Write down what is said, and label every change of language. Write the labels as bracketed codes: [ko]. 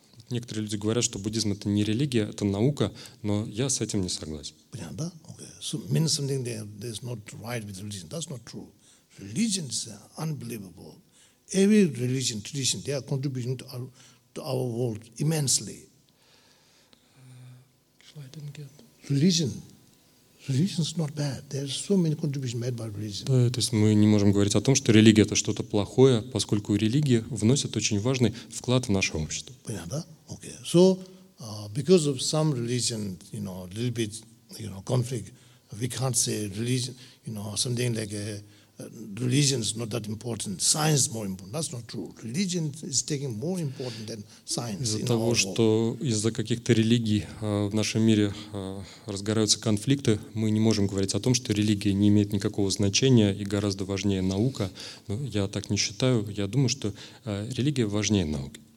[ru] Некоторые люди говорят, что буддизм — это не религия, это наука, но я с этим не согласен. Понятно, да? Okay. [en] So, means something that is not right with religion. That's not true. Religion is unbelievable. Every religion, tradition, they are contributing to our world immensely. Religion is not bad. There are so many contributions made by religion. [ru] Да, то есть мы не можем говорить о том, что религия — это что-то плохое, поскольку религия вносит очень важный вклад в наше общество. Понятно, да? Okay. [en] So, because of some religion, you know, a little bit, you know, conflict, we can't say religion, you know, something like a religion is not that important. Science is more important. That's not true. Religion is taking more important than science. [ru] Из-за того, что из-за каких-то религий в нашем мире разгораются конфликты, мы не можем говорить о том, что религия не имеет никакого значения и гораздо важнее наука. Но я так не считаю. Я думаю, что религия важнее науки.